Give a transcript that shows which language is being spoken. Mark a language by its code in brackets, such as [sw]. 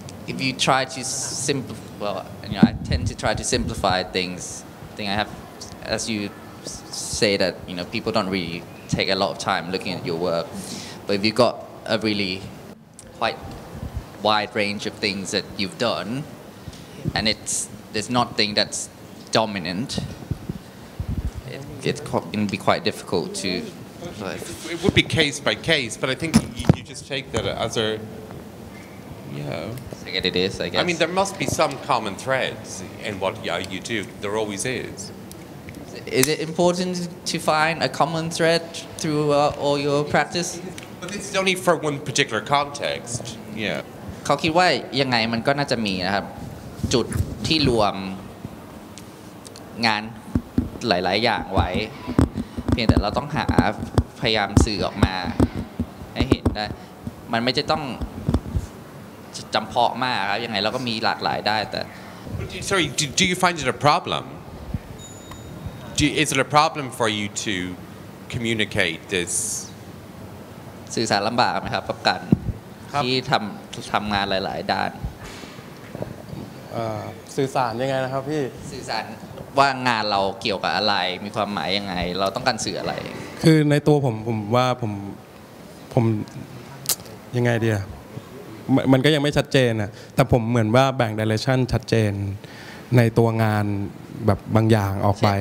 [en] if you try to simplify well you know I tend to try to simplify things I think I have as you say that you know people don't really take a lot of time looking at your work but if you got a really quite wide range of things that you've done and there's nothing that'sDominant. It can be quite difficult to. Like. It would be case by case, but I think you just take that as a. Yeah. I get it is. I guess. I mean, there must be some common threads in what you do. There always is. Is it important to find a common thread through all your practice? But this is only for one particular context. Yeah. [th] เขาคิดว่ายังไงมันก็น่าจะมีนะครับจุดที่รวมงานหลายๆอย่างไว้เพียงแต่เราต้องหา พยายามสื่อออกมาให้เห็นได้มันไม่จะต้องจำเพาะมากครับยังไงเราก็มีหลากหลายได้แต่ [en] Sorry, do you find it a problem? Is it a problem for you to communicate this? [th] สื่อสารลำบากไหมครับกับการที่ทำงานหลายๆด้าน สื่อสารยังไงนะครับพี่สื่อสารว่างานเราเกี่ยวกับอะไรมีความหมายยังไงเราต้องการสื่ออะไร คือในตัวผมว่าผมยังไงดีมันก็ยังไม่ชัดเจนนะแต่ผมเหมือนว่าแบ่งดิเรกชันชัดเจนในตัวงานแบบบางอย่างออกไป